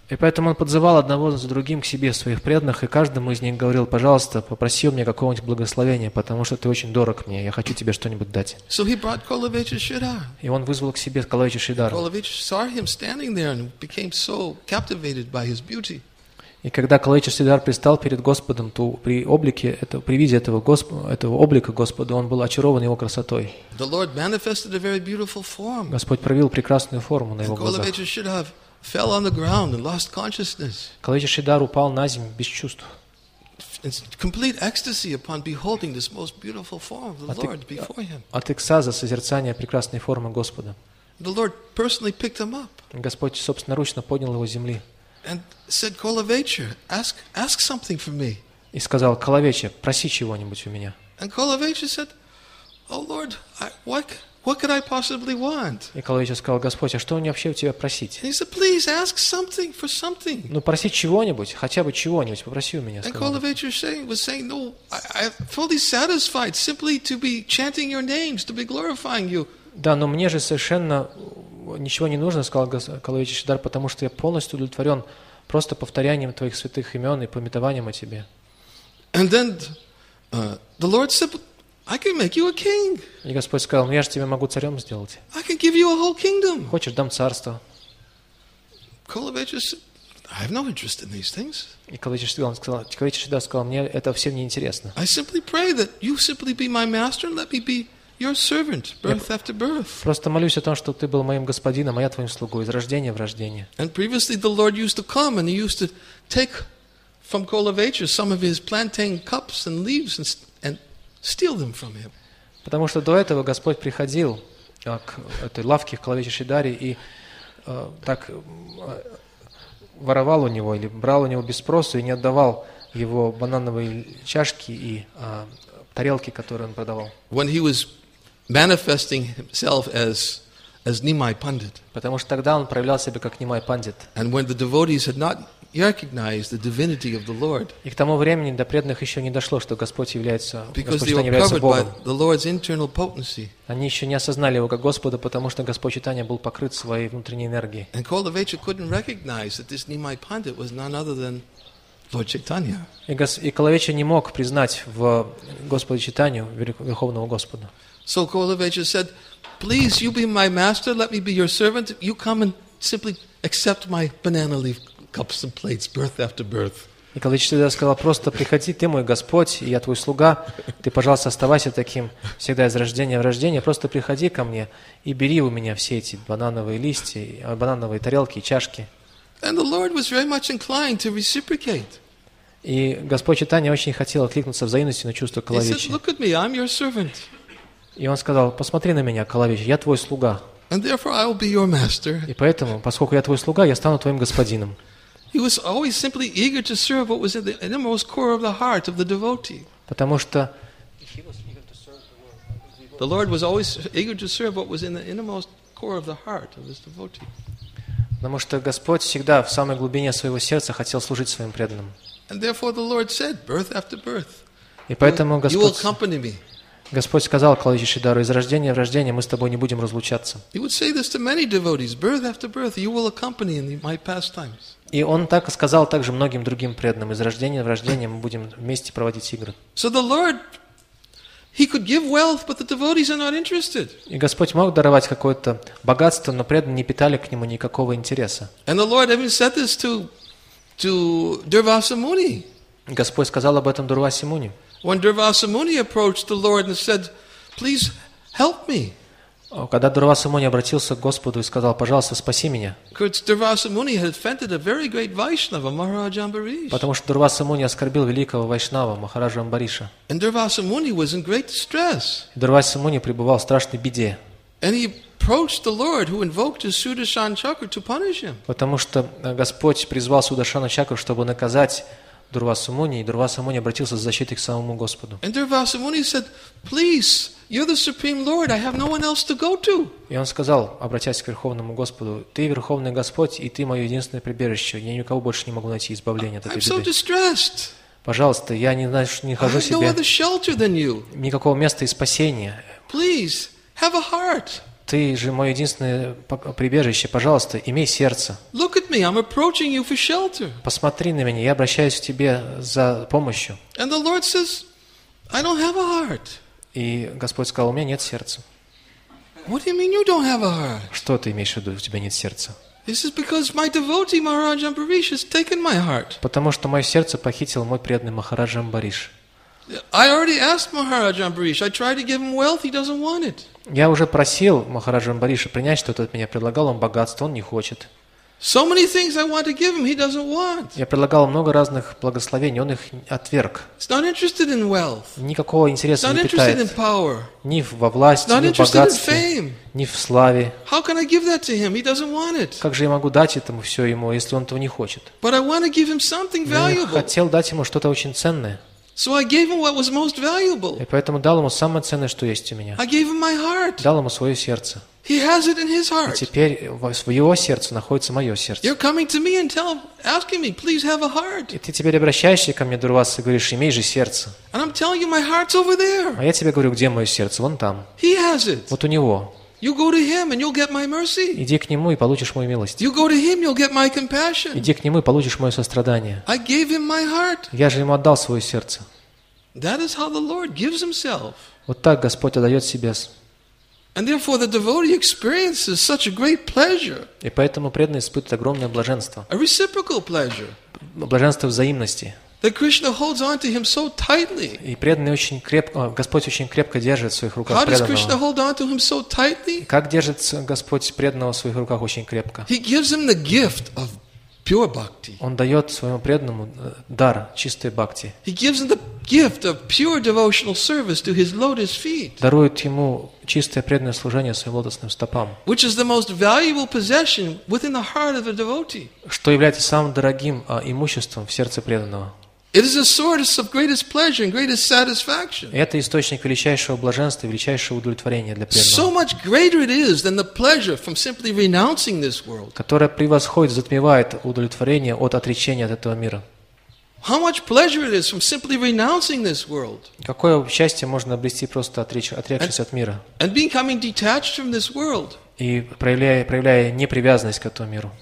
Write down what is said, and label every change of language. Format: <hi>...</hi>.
<ru>И поэтому он подзывал одного за другим к себе своих преданных, и каждому из них говорил: пожалуйста, попроси у меня какого-нибудь благословения, потому что ты очень дорог мне. Я хочу тебе что-нибудь дать.</ru> <en>So he brought Kolavecha Sridhar.</en> <ru>И он вызвал к себе Kolavecha Sridhar.</ru> <en>Kolavecha saw him standing there and became so captivated by his beauty.</en> <ru>И когда Kolavecha Sridhar предстал перед Господом, то при облике, при виде этого, этого облика Господа, он был очарован его красотой.</ru> <en>The Lord manifested a very beautiful form.</en> <ru>Господь проявил прекрасную форму на его глазах.</ru> <en>Kolavecha Sridhar fell on the ground and lost consciousness.</en> <ru>Kolavecha Sridhar упал на землю без чувств.</ru> <en>Complete ecstasy upon beholding this most beautiful form of the Lord before him.</en> <ru>От экстаза созерцания прекрасной формы Господа.</ru> <en>The Lord personally picked him up.</en> <ru>Господь собственноручно поднял его с земли.</ru> <en>And said, Kolavecha, ask something for me.</en> <ru>И сказал: Kolavecha, проси чего-нибудь у меня.</ru> <en>And Kolavecha said, Oh Lord, what could I possibly want?</en> <ru>И Kolavecha сказал: Господь, а что мне вообще у тебя просить?</ru> <en>And he said, Please ask something for something.</en> <ru>Ну проси чего-нибудь, хотя бы чего-нибудь попроси у меня.</ru> <en>And Kolavecha was saying, No, I'm fully satisfied simply to be chanting your names, to be glorifying you.</en> <ru>Да, но мне же совершенно ничего не нужно, сказал Kolavecha Sridhar, потому что я полностью удовлетворен просто повторянием твоих святых имен и памятованием о тебе.</ru> <en>And then the Lord said, I can make you a king.</en> <ru>И Господь сказал: ну я же тебя могу царем сделать.</ru> <en>I can give you a whole kingdom.</en> <ru>Хочешь, дам царство.</ru> <en>Kolavecha said, I have no interest in these things.</en> <ru>И Kolavecha Sridhar сказал: мне это всем не интересно.</ru> <en>I simply pray that you simply be my master and let me be Your servant, birth after birth.</en> <ru>Просто молюсь о том, чтобы ты был моим господином, а я твоим слугой из рождения в рождение.</ru> <en>And previously the Lord used to come and he used to take from Kolavecha some of his plantain cups and leaves and steal them from him.</en> <ru>Потому что до этого Господь приходил к этой лавке Kolavecha Sridhar и так воровал у него или брал у него без спроса и не отдавал его банановые чашки и тарелки, которые он продавал.</ru> <en>When he was manifesting himself as Nimai Pandit.</en> <ru>Потому что тогда он проявлял себя как Нимай Пандит.</ru> <en>And when the devotees had not recognized the divinity of the Lord.</en> <ru>И к тому времени до преданных еще не дошло, что Господь является Богом.</ru> <en>Because they were covered by the Lord's internal potency.</en> <ru>Они еще не осознали его как Господа, потому что Господь Чайтанья был покрыт своей внутренней энергией.</ru> <en>And Kolavecha couldn't recognize that this Nimai Pandit was none other than Lord Chaitanya.</en> <ru>И Kolavecha не мог признать в Господе Чайтанью Верховного Господа.</ru> <en>So Kolavecha said, "Please, you be my master. Let me be your servant. You come and simply accept my banana leaf cups and plates, birth after birth."</en> <ru>И Kolavecha тогда сказал: просто приходи, ты мой Господь, и я твой слуга. Ты, пожалуйста, оставайся таким всегда из рождения в рождение. Просто приходи ко мне и бери у меня все эти банановые листья, банановые тарелки и чашки.</ru> <en>And the Lord was very much inclined to reciprocate.</en> <ru>И Господь Чайтанья очень хотел откликнуться взаимностью на чувство Kolavecha.</ru> <en>He said, "Look at me. I'm your servant."</en> <ru>И он сказал: посмотри на меня, Kolavecha, я твой слуга.</ru> <en>And therefore I will be your master.</en> <ru>И поэтому, поскольку я твой слуга, я стану твоим господином.</ru> <en>He was always simply eager to serve what was in the innermost core of the heart of the devotee.</en> <ru>Потому что</ru> <en>the Lord was always eager to serve what was in the innermost core of the heart of his devotee.</en> <ru>Потому что Господь всегда в самой глубине своего сердца хотел служить своим преданным.</ru> <en>And therefore the Lord said, birth after birth.</en> <ru>И поэтому Господь,</ru> <en>you will accompany me.</en> <ru>Господь сказал Kolavecha Sridhar: из рождения в рождение мы с тобой не будем разлучаться. И он так сказал также многим другим преданным: из рождения в рождение мы будем вместе проводить игры.</ru> <en>So the Lord, he could give wealth, but the devotees are not interested.</en> <ru>И Господь мог даровать какое-то богатство, но преданные не питали к нему никакого интереса.</ru> <en>And the Lord even said this to Durvasa Muni.</en> <ru>Господь сказал об этом Дурвасе Муни.</ru> <en>When Durvasa Muni approached the Lord and said, "Please help me."</en> <ru>Когда Дурвасу Муни обратился к Господу и сказал: «Пожалуйста, спаси меня».</ru> <en>Because Durvasa Muni had offended a very great Vaishnava, Maharaj Ambarish.</en> <ru>Потому что Дурвасу Муни оскорбил великого Вайшнава, Махараджа Амбариша.</ru> <en>And Durvasa Muni was in great distress.</en> <ru>Дурвасу Муни пребывал в страшной беде.</ru> <en>And he approached the Lord, who invoked his Sudarshan Chakra to punish him.</en> <ru>Потому что Господь призвал Сударшану Чакру, чтобы наказать Дурвасу Муни, и Дурвасу Муни обратился за защитой к самому Господу.</ru> <en>And Durvasa Muni said, "Please, you're the Supreme Lord. I have no one else to go to."</en> <ru>И он сказал, обратясь к Верховному Господу: "Ты Верховный Господь, и ты мое единственное прибежище. Я никого больше не могу найти избавления от этой беды."</ru> <en>I'm so distressed.</en> <ru>Пожалуйста, я не знаю, не хожу себе.</ru> <en>I have no other shelter than you.</en> <ru>Никакого места и спасения.</ru> <en>Please, have a heart.</en> <ru>Ты же мое единственное прибежище. Пожалуйста, имей сердце.</ru> <en>Look at me, I'm approaching you for shelter.</en> <ru>Посмотри на меня, я обращаюсь к тебе за помощью.</ru> <en>And the Lord says, I don't have a heart.</en> <ru>И Господь сказал: у меня нет сердца.</ru> <en>What do you mean you don't have a heart?</en> <ru>Что ты имеешь в виду, у тебя нет сердца?</ru> <en>This is because my devotee Maharaj Ambarish has taken my heart.</en> <ru>Потому что мое сердце похитил мой преданный Махарадж Амбариш.</ru> <en>I already asked Maharaj Ambarish. I tried to give him wealth. He doesn't want it.</en> <ru>Я уже просил Махараджа Амбариша принять что-то от меня. Предлагал он богатство, он не хочет.</ru> <en>So many things I want to give him. He doesn't want.</en> <ru>Я предлагал много разных благословений, он их отверг.</ru> <en>He's not interested in wealth.</en> <ru>Никакого интереса не питает.</ru> <en>He's not interested in power.</en> <ru>Ни во власти, ни в богатстве, ни в славе.</ru> <en>How can I give that to him? He doesn't want it.</en> <ru>Как же я могу дать этому все ему, если он этого не хочет?</ru> <en>But I want to give him something valuable.</en> <ru>Я хотел дать ему что-то очень ценное.</ru> <en>So I gave him what was most valuable.</en> <ru>И поэтому дал ему самое ценное, что есть у меня.</ru> <en>I gave him my heart.</en> <ru>Дал ему свое сердце.</ru> <en>He has it in his heart.</en> <ru>И теперь в его сердце находится мое сердце.</ru> <en>You're coming to me and asking me, please have a heart.</en> <ru>И ты теперь обращаешься ко мне, Дурвасса, и говоришь: имей же сердце.</ru> <en>And I'm telling you, my heart's over there.</en> <ru>А я тебе говорю: где мое сердце? Вон там.</ru> <en>He has it.</en> <ru>Вот у него.</ru> <en>You go to him and you'll get my mercy.</en> <ru>Иди к нему и получишь мою милость.</ru> <en>You go to him, you'll get my compassion.</en> <ru>Иди к нему и получишь мое сострадание.</ru> <en>I gave him my heart.</en> <ru>Я же ему отдал свое сердце.</ru> <en>That is how the Lord gives himself.</en> <ru>Вот так Господь отдает себя.</ru> <en>And therefore the devotee experiences such a great pleasure.</en> <ru>И поэтому преданный испытывает огромное блаженство.</ru> <en>A reciprocal pleasure.</en> <ru>Блаженство взаимности.</ru> <en>That Krishna holds on to him so tightly.</en> <ru>И преданный очень крепко, Господь очень крепко держит в своих руках преданного.</ru> <en>How does Krishna hold on to him so tightly?</en> <ru>Как держит Господь преданного в своих руках очень крепко?</ru> <en>He gives him the gift of pure bhakti.</en> <ru>Он дает своему преданному дар чистой бхакти.</ru> <en>He gives him the gift of pure devotional service to his lotus feet.</en> <ru>Дарует ему чистое преданное служение своим лотосным стопам.</ru> <en>Which is the most valuable possession within the heart of a devotee?</en> <ru>Что является самым дорогим имуществом в сердце преданного?</ru> <en>It is a source of greatest pleasure and greatest satisfaction.</en> <ru>Это источник величайшего блаженства, величайшего удовлетворения для преданного.</ru> <en>So much greater it is than the pleasure from simply renouncing this world.</en> <ru>Которое превосходит, затмевает удовлетворение от отречения от этого мира.</ru> <en>How much pleasure it is from simply renouncing this world.</en> <ru>Какое счастье можно обрести просто отрекшись от мира.</ru> <en>And becoming detached from this world.</en> <ru>И проявляя непривязанность к этому миру.</ru>